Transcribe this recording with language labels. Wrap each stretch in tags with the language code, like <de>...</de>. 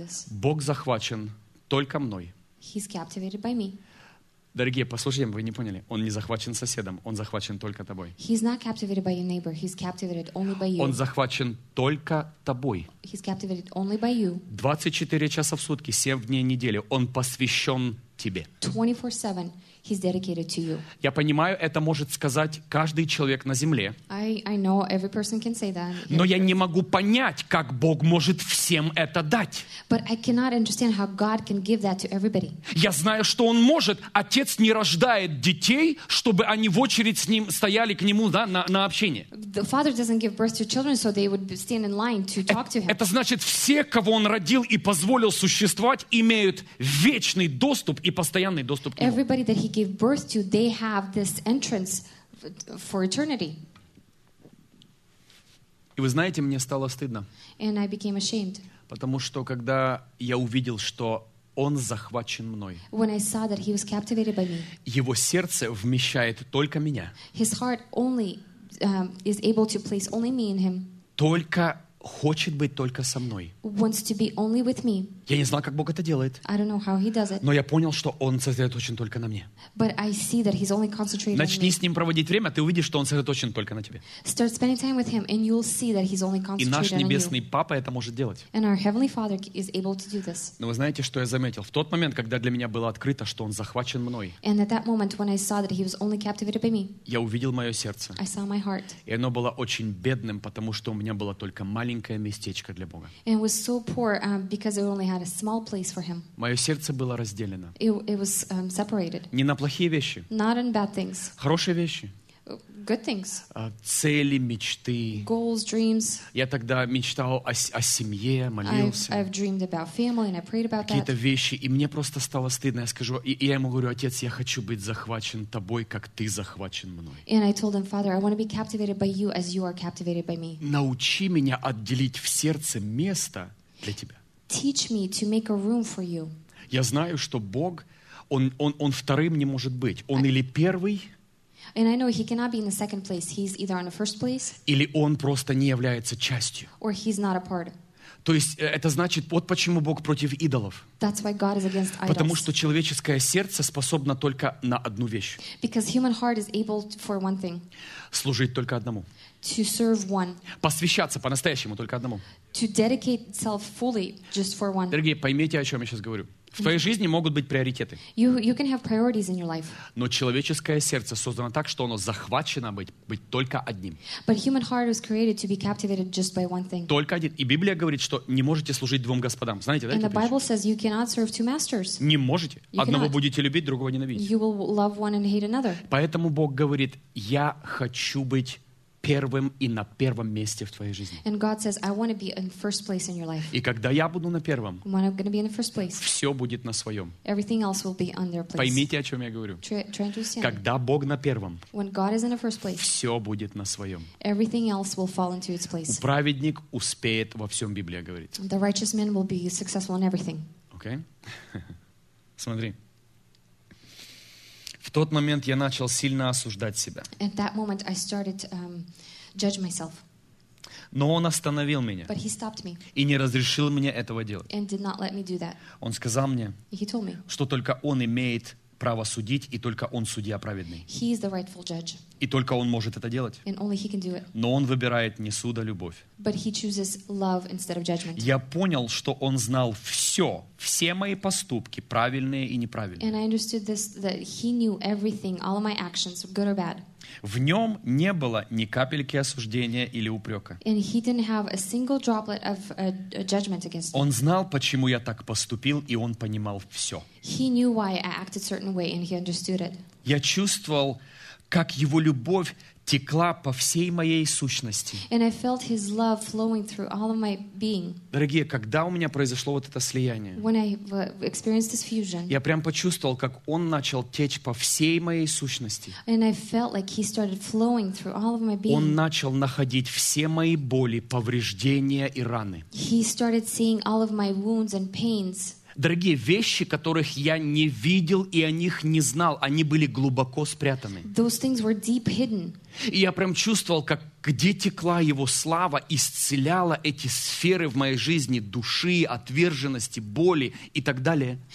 <ru>Бог захвачен только мной.</ru> <en>He's captivated by me.</en> <ru>Дорогие, послушайте, вы не поняли. Он не захвачен соседом, он захвачен только тобой.</ru> <en>He's not captivated by your neighbor, he's captivated only by you.</en> <ru>Он захвачен только тобой.</ru> <en>He's captivated only by you.</en> <ru>24 часа в сутки, 7 дней недели, он посвящен тебе.</ru> <en>24/7. He's dedicated to you.</en> <ru>Я понимаю, это может сказать каждый человек на земле.</ru> <en>I know every person can say that.</en> <ru>Но я не могу понять, как Бог может всем это дать.</ru> <en>But I cannot understand how God can give that to everybody.</en> <ru>Я знаю, что Он может. Отец не рождает детей, чтобы они в очередь с Ним стояли к Нему, да, на общение.</ru> <en>The Father doesn't give birth to children so they would stand in line to talk to Him.</en> <ru>Это значит, все, кого Он родил и позволил существовать, имеют вечный доступ и постоянный доступ к Нему.</ru> <en>Everybody that He gave birth to, they have this entrance for eternity.</en> <ru>И вы знаете, мне стало стыдно.</ru> <en>And I became ashamed.</en> <ru>Потому что, когда я увидел, что Он захвачен мной,</ru> <en>when I saw that He was captivated by me,</en> <ru>Его сердце вмещает только меня.</ru> <en>His heart only, is able to place only me in Him.</en> <ru>Только хочет быть только со мной.</ru> <en>Wants to be only with me.</en> <ru>Я не знал, как Бог это делает.</ru> <en>I don't know how He does it.</en> <ru>Но я понял, что Он сосредоточен только на мне.</ru> <en>But I see that He's only concentrated.</en> <ru>Начни с Ним проводить время, ты увидишь, что Он сосредоточен только на тебе.</ru> <en>Start spending time with Him, and you'll see that He's only concentrated on you.</en> <ru>И наш небесный Папа это может делать.</ru> <en>And our Heavenly Father is able to do this.</en> <ru>Но вы знаете, что я заметил? В тот момент, когда для меня было открыто, что Он захвачен мной,</ru> <en>and at that moment, when I saw that He was only captivated by me,</en> <ru>я увидел мое сердце.</ru> <en>I saw my heart.</en> <ru>И оно было очень бедным, потому что у меня было только маленькое местечко для Бога.</ru> <en>And it was so poor, because it only had a small place for Him.</en> <ru>Мое сердце было разделено.</ru> <en>It was, separated.</en> <ru>Не на плохие вещи.</ru> <en>Not on bad things.</en> <ru>Хорошие вещи.</ru> <en>Good things.</en> <ru>Цели, мечты.</ru> <en>Goals, dreams.</en> <ru>Я тогда мечтал о семье, молился.</ru> <en>I've dreamed about family and I prayed about</en> <ru>Какие-то вещи, и мне просто стало стыдно. Я скажу, и я ему говорю: Отец, я хочу быть захвачен Тобой, как Ты захвачен мной.</ru> <en>And I told him, Father, I want to be captivated by You as You are captivated by me.</en> <ru>Научи меня отделить в сердце место для Тебя.</ru> <en>Teach me to make a room for You.</en> <ru>Я знаю, что Бог, он вторым не может быть. Он или первый.</ru> <en>And I know He cannot be in the second place. He's either on the first place.</en> <ru>Или Он просто не является частью.</ru> <en>Or He's not a part.</en> <ru>То есть это значит, вот почему Бог против идолов.</ru> <en>That's why God is against idols.</en> <ru>Потому что человеческое сердце способно только на одну вещь.</ru> <en>Because human heart is able for one thing.</en> <ru>Служить только одному.</ru> <en>To serve one.</en> <ru>Посвящаться по-настоящему только одному.</ru> <en>To dedicate self fully just for one.</en> <ru>Дорогие, поймите, о чем я сейчас говорю. В твоей жизни могут быть приоритеты.</ru> <en>You can have priorities in your life.</en> <ru>Но человеческое сердце создано так, что оно захвачено быть только одним.</ru> <en>But human heart was created to be captivated just by one thing.</en> <ru>Только один. И Библия говорит, что не можете служить двум господам. Знаете, да?</ru> <en>And the Bible says you cannot serve two masters.</en> <ru>Не можете.</ru> <en>You</en> <ru>одного</ru> <en>cannot.</en> <ru>Будете любить, другого ненавидеть.</ru> <en>You will love one and hate another.</en> <ru>Поэтому Бог говорит: я хочу быть первым и на первом месте в твоей жизни.</ru> <en>And God says, I want to be in first place in your life.</en> <ru>И когда я буду на первом,</ru> <en>when I'm going to be in the first place,</en> <ru>все будет на своем.</ru> <en>Everything else will be on their place.</en> <ru>Поймите, о чем я говорю.</ru> <en>Try understand.</en> <ru>Когда Бог на первом,</ru> <en>when God is in the first place,</en> <ru>все будет на своем.</ru> <en>Everything else will fall into its place.</en> <ru>Праведник успеет во всем, Библия говорит.</ru> <en>The righteous man will be successful in everything.</en> <ru>Okay? Смотри. В тот момент я начал сильно осуждать себя.</ru> <en>At that moment I started, judge myself.</en> <ru>Но Он остановил меня.</ru> <en>But He stopped me.</en> <ru>И не разрешил мне этого делать.</ru> <en>And did not let me do that.</en> <ru>Он сказал мне,</ru> <en>He told me,</en> <ru>что только Он имеет право судить, и только Он судья праведный.</ru> <en>He is the rightful judge.</en> <ru>И только Он может это делать.</ru> <en>And only He can do it.</en> <ru>Но Он выбирает не суд, а любовь.</ru> <en>But He chooses love instead of judgment.</en> <ru>Я понял, что Он знал все, все мои поступки, правильные и неправильные.</ru> <en>And I understood this, that He knew everything, all of my actions, good or bad.</en> <ru>В Нем не было ни капельки осуждения или упрека.</ru> <en>And He didn't have a single droplet of a judgment against me.</en> <ru>Он знал, почему я так поступил, и Он понимал все.</ru> <en>He knew why I acted certain way, and He understood it.</en> <ru>Я чувствовал, как Его любовь текла по всей моей сущности.</ru> <en>And I felt His love flowing through all of my being.</en> <ru>Дорогие, когда у меня произошло вот это слияние,</ru> <en>when I experienced this fusion,</en> <ru>я прям почувствовал, как Он начал течь по всей моей сущности.</ru> <en>And I felt like He started flowing through all of my being.</en> <ru>Он начал находить все мои боли, повреждения и раны.</ru> <en>He started seeing all of my wounds and pains.</en> <ru>Дорогие, вещи, которых я не видел и о них не знал, они были глубоко спрятаны.</ru> <en>Those things were deep hidden.</en> <ru>И я прям чувствовал, как где текла Его слава, исцеляла эти сферы в моей жизни, души, отверженности, боли и так далее.</ru>